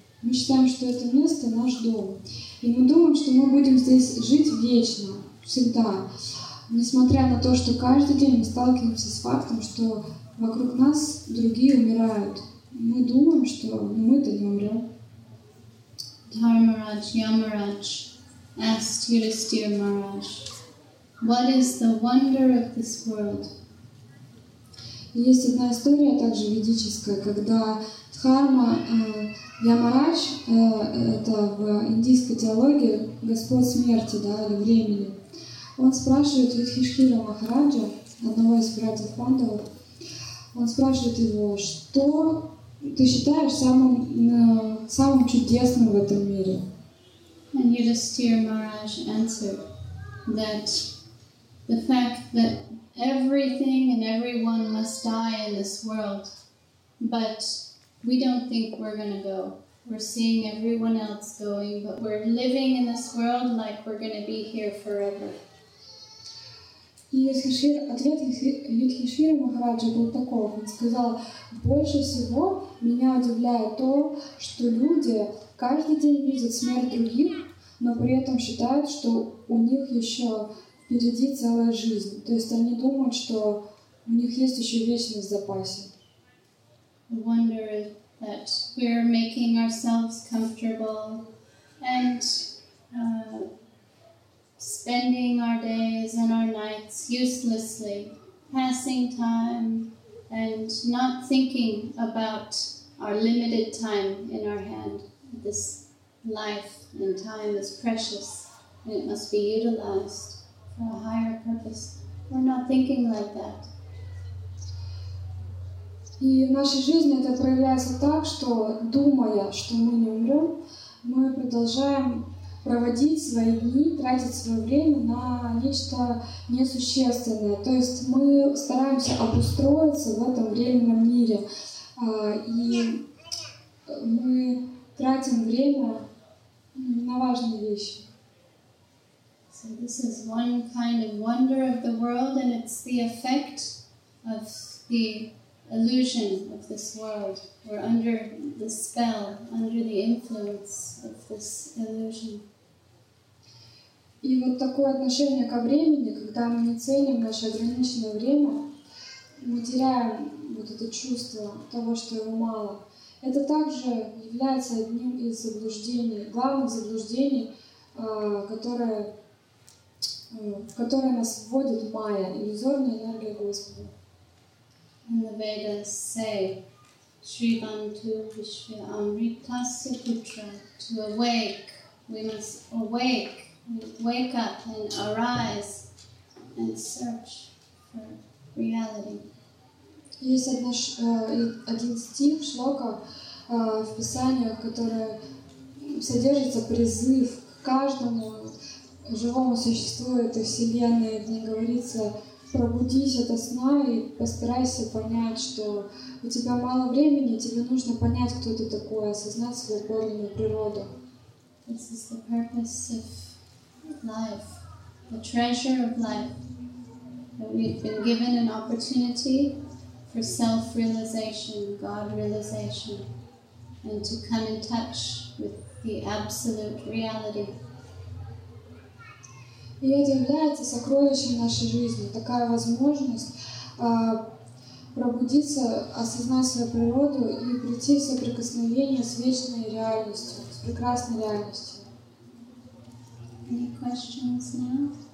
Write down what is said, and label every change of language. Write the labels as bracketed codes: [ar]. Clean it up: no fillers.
[ru] Мы считаем, что это место — наш дом. И мы думаем, что мы будем здесь жить вечно, всегда. Несмотря на то, что каждый день мы сталкиваемся с фактом, что вокруг нас другие умирают. Мы думаем, что мы-то не умрем. [en] Dharmaraj Yamaraj asked Yudhisthira Maharaj, what is the wonder of this world? [ru] Есть одна история также ведическая, когда Дхарма Ямарадж, это в индийской теологии Господь смерти, да, или времени, он спрашивает Юдхиштхира Махараджа, одного из братьев Пандавов, он спрашивает его, что ты считаешь самым чудесным в этом мире? [en] And Yudhisthira Maharaj answered that the fact that everything and everyone must die in this world, but we don't think we're gonna go. We're seeing everyone else going, but we're living in this world like we're gonna be here forever. [ru] И ответ Юдхиштхира Махараджа был таков. Он сказал, больше всего меня удивляет то, что люди каждый день видят смерть других, но при этом считают, что у них еще впереди целая жизнь. То есть они думают, что у них есть еще вечность в запасе. [en] Wonder that we're making ourselves comfortable and spending our days and our nights uselessly, passing time and not thinking about our limited time in our hand. This life and time is precious and it must be utilized for a higher purpose. We're not thinking like that. [ru] И в нашей жизни это проявляется так, что думая, что мы не умрем, мы продолжаем проводить свои дни, тратить свое время на нечто несущественное. То есть мы стараемся обустроиться в этом временном мире. И мы тратим время на важные вещи. [en] So this is one kind of wonder of the world, and it's the effect of the illusion of this world. We're under the spell, under the influence of this illusion. [ru] И вот такое отношение ко времени, когда мы не ценим наше ограниченное время, мы теряем вот это чувство того, что его мало. Это также является одним из заблуждений, главных заблуждений, которые нас вводят в майя, иллюзорная энергия Господа. [en] In the Vedas say, Shri Bantu Vishvi Amritasya Putra, to awake, we must awake. Wake up and arise and search for reality. [ru] Есть один стих шлока в Писаниях, который содержится призыв к каждому живому существу этой вселенной, где говорится, пробудись ото сна и постарайся понять, что у тебя мало времени, тебе нужно понять, кто ты такой, осознать свою подлинную природу. [en] This is the purpose of life, the treasure of life, that we've been given an opportunity for self-realization, God-realization, and to come in touch with the absolute reality. [ru] И это является сокровищем нашей жизни, такая возможность пробудиться, осознать свою природу и прийти в соприкосновение с вечной реальностью, с прекрасной реальностью. [en] Any questions now?